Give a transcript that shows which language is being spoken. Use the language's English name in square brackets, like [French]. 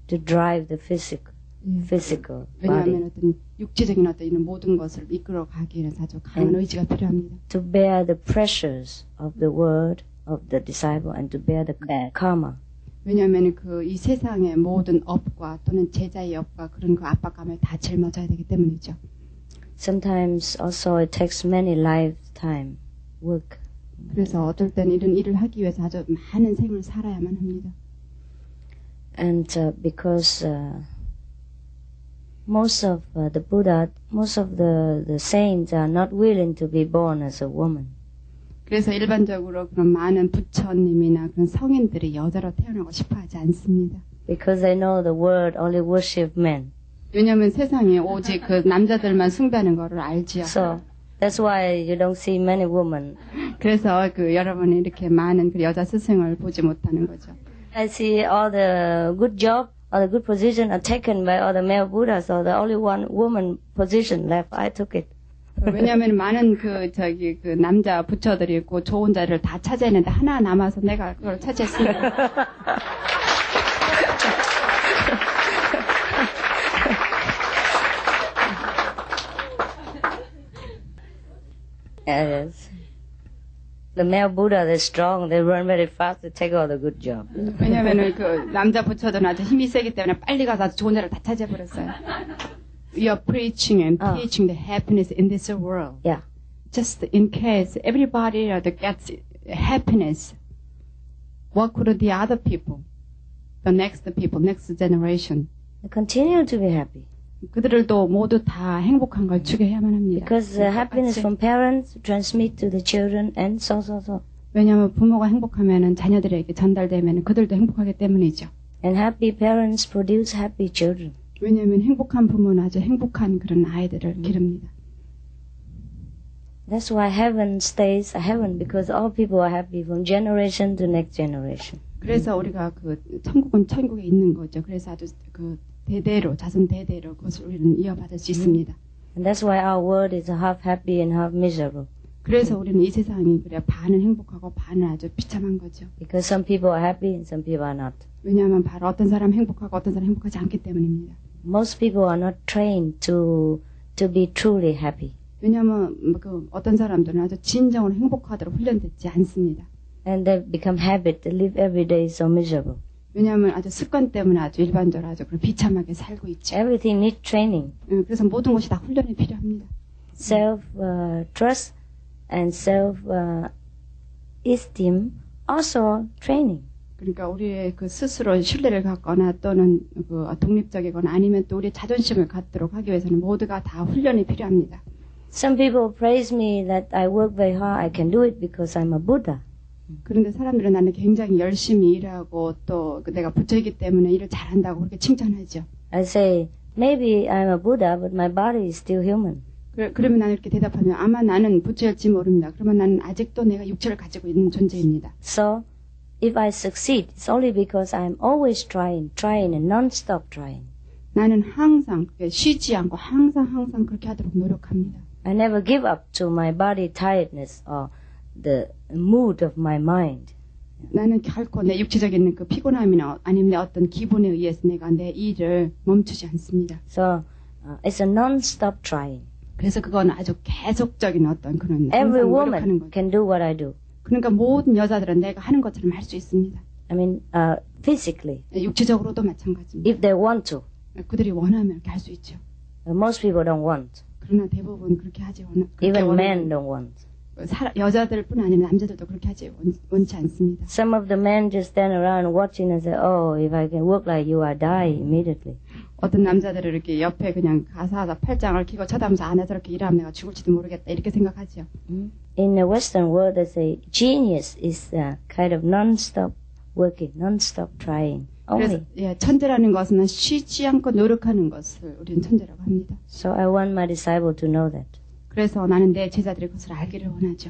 [English] To drive the physical body. [Korean] 왜냐하면 어떤 육체적인 어떤 이런 모든 것을 이끌어가기 위해서 아주 강한 [English] and [Korean] 의지가 필요합니다. [English] To bear the pressures of the world of the disciple and to bear the karma. [Korean] 왜냐하면 그 이 세상의 모든 업과 또는 제자의 업과 그런 그 압박감을 다 짊어져야 되기 때문이죠. [English] Sometimes also it takes many lifetime work. [Korean] 그래서 어떨 때는 이런 일을 하기 위해서 아주 많은 생을 살아야만 합니다. [English] And because most of the Buddha, most of the saints are not willing to be born as a woman. [Korean] 그래서 일반적으로 그런 많은 부처님이나 그런 성인들이 여자로 태어나고 싶어하지 않습니다. [English] Because they know the world only worship men. [Korean] 왜냐하면 세상에 오직 그 남자들만 숭배하는 것을 알지요. [English] So that's why you don't see many women. [Korean] 그래서 그 여러분이 이렇게 많은 그 여자 스승을 보지 못하는 거죠. [English] I see all the good job, all the good position are taken by all the male Buddhas. So the only one woman position left, I took it. [Korean] 왜냐하면 많은 그 저기 그 남자 부처들이 있고 좋은 자리를 다 차지했는데 하나 남아서 내가 그걸 차지했습니다. [English] Yes. The male Buddha, they're strong. They run very fast. They take all the good job. [Korean] 왜냐하면 그 남자 부처들은 아주 힘이 세기 때문에 빨리 가서 아주 좋은 자리를 다 차지해버렸어요. [English] You are preaching and teaching the happiness in this world. Yeah. Just in case everybody gets happiness, what could the other people, the next people, next generation, continue to be happy? [Korean] 그들도 모두 다 행복한 걸 추구해야만 합니다. [English] Because the happiness from parents transmit to the children and so so so. [Korean] 왜냐하면 부모가 행복하면은 자녀들에게 전달되면은 그들도 행복하기 때문이죠. [English] And happy parents produce happy children. [Korean] 왜냐하면 행복한 부모는 아주 행복한 그런 아이들을 기릅니다. [English] That's why heaven stays a heaven because all people are happy from generation to next generation. [Korean] 그래서 우리가 그 천국은 천국에 있는 거죠. 그래서 아주 그 대대로 자손 대대로 그것을 우리는 이어받을 수 있습니다. [English] And that's why our world is half happy and half miserable. [Korean] 그래서 우리는 이 세상이 그래 반은 행복하고 반은 아주 비참한 거죠. [English] Because some people are happy and some people are not. [Korean] 왜냐하면 바로 어떤 사람 행복하고 어떤 사람 행복하지 않기 때문입니다. [English] Most people are not trained to be truly happy. [Korean] 왜냐하면 그 어떤 사람들은 아주 진정으로 행복하도록 훈련되지 않습니다. [English] And they become habit to live every day so miserable. [Korean] 왜냐하면 아주 습관 때문에 아주 일반적으로 아주 그런 비참하게 살고 있죠. [English] Everything needs training. [Korean] 그래서 모든 것이 다 훈련이 필요합니다. [English] Self trust and self esteem also training. [Korean] 그러니까 우리의 그 스스로 신뢰를 갖거나 또는 그 독립적이거나 아니면 또 우리의 자존심을 갖도록 하기 위해서는 모두가 다 훈련이 필요합니다. [English] Some people praise me that I work very hard. I can do it because I'm a Buddha. [Korean] 그런데 사람들은 나는 굉장히 열심히 일하고 또 내가 부처이기 때문에 일을 잘한다고 그렇게 칭찬하죠. [English] I say maybe I'm a Buddha, but my body is still human. [Korean] 그러면 나는 이렇게 대답하면 아마 나는 부처일지 모릅니다. 그러면 나는 아직도 내가 육체를 가지고 있는 존재입니다. [English] So if I succeed, it's only because I'm always trying and non-stop trying. [Korean] 나는 항상 쉬지 않고 항상 그렇게 하도록 노력합니다. [English] I never give up to my body tiredness or the mood of my mind. [Korean] 나는 결코 내 육체적인 그 피곤함이나 아니면 내 어떤 기분에 의해서 내가 내 일을 멈추지 않습니다. [English] So it's a non-stop trying. [Korean] 그래서 그건 아주 계속적인 어떤 그런 [English] Every woman [Korean] 거죠. [English] can do what I do. [Korean] 그러니까 모든 여자들은 내가 하는 것처럼 할 수 있습니다. [English] I mean physically. [Korean] 육체적으로도 마찬가지입니다. [English] If they want to. [Korean] 그들이 원하면 이렇게 할 수 있죠. [English] Most people don't want. [Korean] 그러나 대부분 그렇게 하지 않아. [English] Even men don't want. [Korean] 여자들뿐 아니면 남자들도 그렇게 하지 원치 않습니다. [English] Some of the men just stand around watching and say, "Oh, if I can work like you, I die immediately." [Korean] 어떤 남자들은 이렇게 옆에 그냥 가사하다 팔짱을 끼고 쳐다보면서 안에서 이렇게 일하면 내가 죽을지도 모르겠다 이렇게 생각하지요. [English] In the Western world, they say genius is a kind of non-stop working, non-stop trying. Only. [Korean] 그래서 예, 천재라는 것은 쉬지 않고 노력하는 것을 우리는 천재라고 합니다. [English] So I want my disciple to know that. [Korean] 그래서 나는 내 제자들이 그것을 알기를 원하죠.